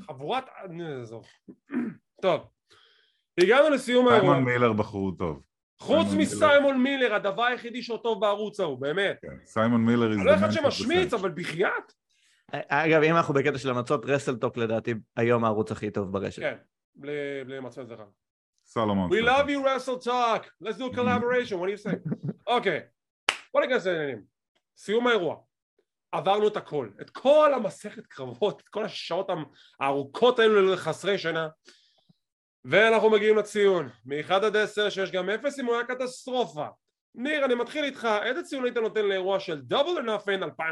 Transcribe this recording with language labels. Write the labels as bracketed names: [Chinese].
[Hebrew] חבורת... טוב. הגענו לסיום האירוע. סיימון מילר בחור טוב. חוץ מסיימון מילר, הדבר היחידי שטוב בערוץ ההוא, באמת. סיימון מילר הזדמנת. אני לא אחד שמשמיץ, אבל בחיית. אגב, אם אנחנו בקטע של המצות, רסלטוק לדעתי היום הערוץ הכי טוב ברשת. כן, בלי מצוי זה רע. סלומון. [English] We love you, רסלטוק. Let's do a collaboration, what do you say? [Hebrew] אוקיי, בוא נכנס לעניינים. סיום האירוע. עברנו את הכל. את כל המסכת קרבות, את כל השעות הארוכות האלו לחסרי שינה. ואנחנו מגיעים לציון, מאחד עד עשר שיש גם אפס אם הוא היה קטסטרופה. ניר, אני מתחיל איתך, איזה ציון היית נותן לאירוע של Double or Nothing